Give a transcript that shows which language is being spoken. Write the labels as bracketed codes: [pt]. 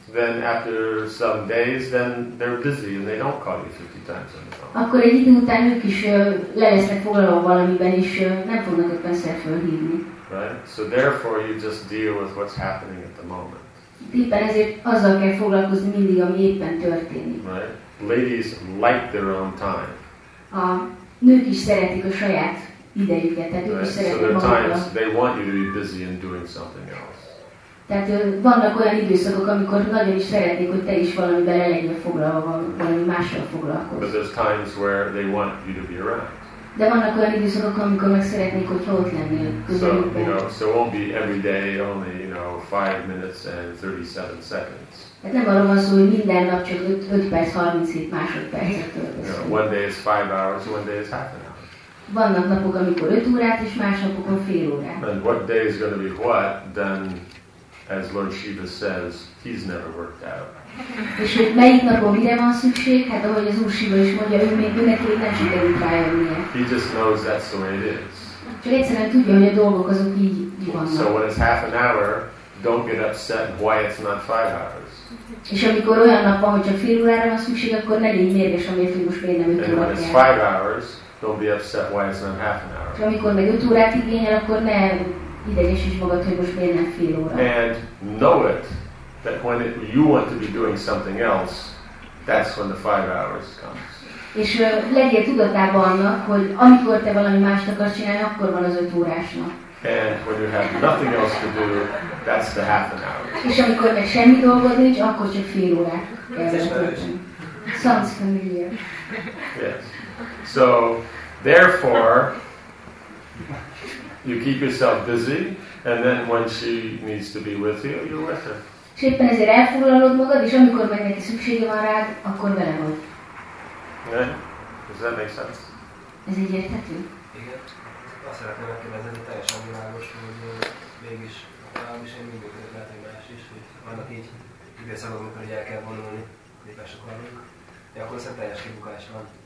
[en] then after some days, then they're busy and they don't call you 50 times on the phone. [hu] Akkor egy idő után ők is lesznek foglalva valamiben, és nem fognak 50-szer fölhívni. [en] Right? So therefore you just deal with what's happening at the moment. [hu] Éppen ezért azzal kell foglalkozni mindig, ami éppen történik. [en] Right? Ladies like their own time. [hu] A nők is szeretik a saját idejüket, tehát ők is szeretik magukat. [en] So their times, they want you to be busy and doing something else. [hu] Tehát vannak olyan időszakok, amikor nagyon is szeretnék, hogy te is valamiben le legyél foglalva, valami mással foglalkozz. [en] But there's times where they want you to be around. [hu] De vannak olyan időszakok, amikor meg szeretnék, hogy ott lennél közelükben. [en] So, you know, so it won't be every day only, you know, 5 minutes and 37 seconds. [hu] Hát nem arról van szó, hogy minden nap csak 5 perc 37 másodpercet töltesz. [en] You know, one day is 5 hours, one day is half an hour. [hu] Vannak napok, amikor 5 órát, és más napokon fél órát. [en] And what day is going to be what, then, as Lord Shiva says, he's never worked out. [hu] És hogy melyik napon mire van szükség? Hát ahogy az Úr Shiva is mondja, ő még őnek így nem sikerült rájönnie. [en] He just knows that's the way it is. [hu] Csak egyszerűen tudja, hogy a dolgok azok így vannak. [en] So when it's half an hour, don't get upset why it's not 5 hours. [hu] És amikor olyan nap van, hogy a fél órára van szükség, akkor ne légy mérges, amiért hogy most például 5 órára. [en] It's 5 hours, don't be upset why it's not half an hour. [hu] És amikor meg 5 órát igényel, akkor ne idegesíts magad, hogy most például fél óra. [en] And know it, that when it, you want to be doing something else, that's when the 5 hours comes. [hu] És legyél tudatában annak, hogy amikor te valami mást akarsz csinálni, akkor van az 5 órásnak. [en] And when you have nothing else to do, that's the half an hour. [hu] És amikor meg semmi dolgod nincs, akkor csak fél órát kellett. [en] Sounds familiar. Yes. So, therefore, you keep yourself busy, and then when she needs to be with you, you're with her. [hu] És éppen ezért elfoglalod magad, és amikor meg neki szüksége van rád, akkor vele vagy. [en] Yeah. Does that make sense? [hu] Ez így érthető? Igen. Azt szeretném megkérdezni, teljesen világos, hogy mégis is én mindig között lehet, hogy más is, hogy vannak így időszakok, amikor el kell vonulni, képes akarunk, de akkor szerint teljes kibukás van.